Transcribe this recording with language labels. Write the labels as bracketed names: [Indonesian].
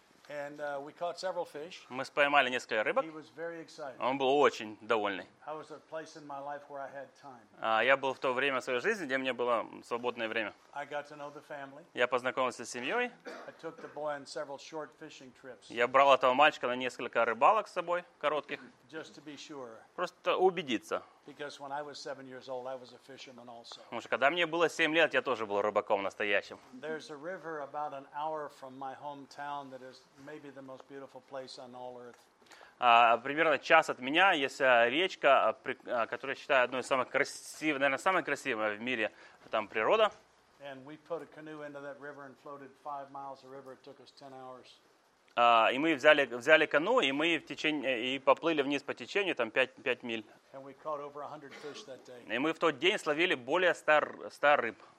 [English] And we caught several fish. [Russian] Мы поймали несколько рыбок. [English] He was very excited. [Russian] Он был очень довольный. [English] I was at a place in my life where I had time. [Russian] Я был в то время в своей жизни, где у меня было свободное время. [English] I got to know the family. [Russian] Я познакомился с семьей. [English] I took the boy on several short fishing trips. [Russian] Я брал этого мальчика на несколько рыбалок с собой, коротких. [English] Just to be sure. [Russian] Просто убедиться. [English] Because when I was 7 years old, I was a fisherman also. [Russian] Потому что когда мне было 7 лет, я тоже был рыбаком настоящим. [English] There's a river about an hour from my hometown that is maybe the most beautiful place on all earth. [Russian] Примерно час от меня есть речка, которую я считаю одной из самых красивых, наверное, самой красивой в мире там природа. [English] And we put a canoe into that river and floated 5 miles of river. It took us 10 hours. [Russian] И мы взяли каноэ, и мы и поплыли вниз по течению, там 5 миль. И мы в тот день словили более 100 рыб.